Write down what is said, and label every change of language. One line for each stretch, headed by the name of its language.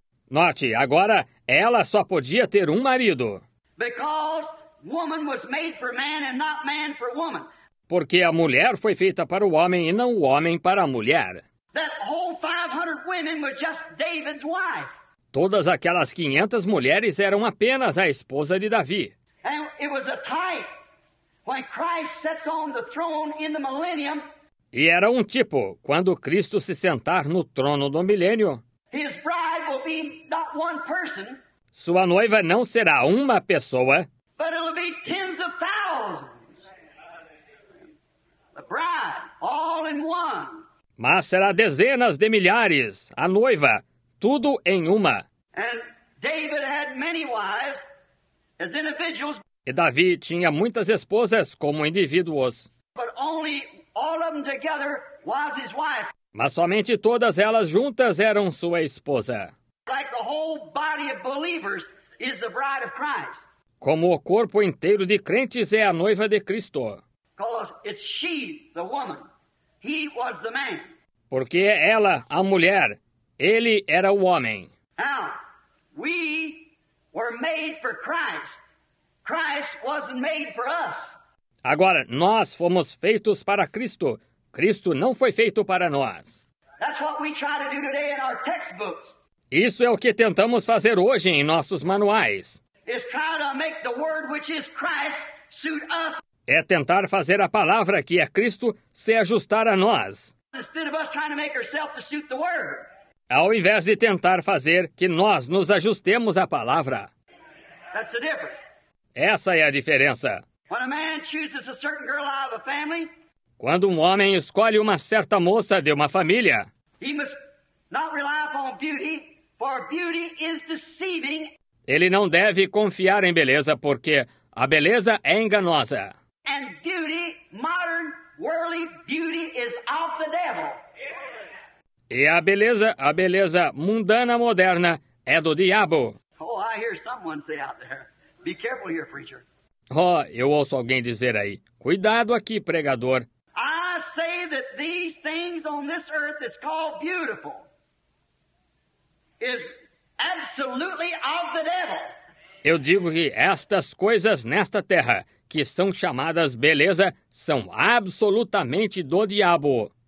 Portuguese: Note, agora, ela só podia ter um marido.
English: Woman was made for man and not man for woman.
Portuguese: Porque a mulher foi feita para o homem e não o homem para a mulher.
English: That whole 500 women were just David's wife.
Portuguese: Todas aquelas 500 mulheres eram apenas a esposa de Davi.
English: And it was a type when Christ sits on the throne in the millennium.
Portuguese: E era um tipo quando Cristo se sentar no trono do milênio.
English: His bride will be not one person.
Portuguese: Sua noiva não será uma pessoa.
English: But it'll be tens of thousands. The bride, all in one.
Portuguese: Mas será dezenas de milhares, a noiva, tudo em uma.
English: And David had many wives as individuals.
Portuguese: E Davi tinha muitas esposas como indivíduos.
English: But only all of them together was his wife.
Portuguese: Mas somente todas elas juntas eram sua esposa.
English: Like the whole body of believers is the bride of Christ.
Portuguese: Como o corpo inteiro de crentes é a noiva de Cristo.
English: It's she, the woman. He was the man.
Portuguese: Porque é ela, a mulher. Ele era o homem.
English: Now, we were made for Christ. Christ wasn't made for us.
Portuguese: Agora, nós fomos feitos para Cristo. Cristo não foi feito para nós.
English: That's what we try to do today in our textbooks.
Portuguese: Isso é o que tentamos fazer hoje em nossos manuais.
English: Is try to make the word which is Christ suit us.
Portuguese: É tentar fazer a palavra que é Cristo se ajustar a nós.
English: Instead of us trying to make ourselves to suit the word.
Portuguese: Ao invés de tentar fazer que nós nos ajustemos à palavra.
English: That's the difference.
Portuguese: Essa é a diferença.
English: When a man chooses a certain girl out of a family.
Portuguese: Quando um homem escolhe uma certa moça de uma família.
English: He must not rely upon beauty, for beauty is deceiving.
Portuguese: Ele não deve confiar em beleza, porque a beleza é enganosa.
English: And beauty, modern, worldly beauty is of the devil.
Portuguese: E a beleza mundana moderna é do diabo.
English: Oh, I hear someone say out there, be careful here, preacher.
Portuguese: Oh, eu ouço alguém dizer aí, cuidado aqui, pregador.
English: I say that these things on this earth that's called beautiful is absolutely of the devil.
Portuguese: Eu digo que estas coisas nesta terra, que são chamadas beleza, são absolutamente do diabo.